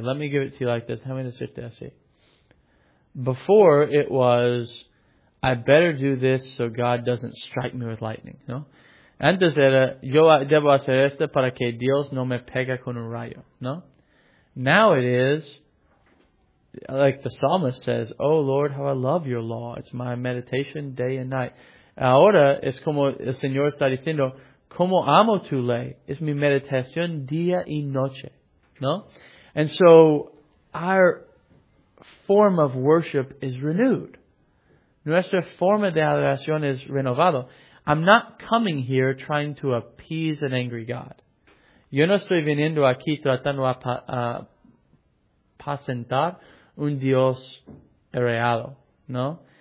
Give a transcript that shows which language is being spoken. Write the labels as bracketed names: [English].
[English] Let me give it to you like this. How many decirte así? Before it was, I better do this so God doesn't strike me with lightning. No. [Spanish] Antes era, yo debo hacer esto para que Dios no me pegue con un rayo, ¿no? [English] Now it is, like the psalmist says, oh Lord, how I love your law. It's my meditation day and night. [Spanish] Ahora es como el Señor está diciendo, como amo tu ley. Es mi meditación día y noche, ¿no? [English] And so, our form of worship is renewed. [Spanish] Nuestra forma de adoración es renovado. [English] I'm not coming here trying to appease an angry God. [Spanish] Yo no estoy viniendo aquí tratando a apacentar un Dios irado, ¿no?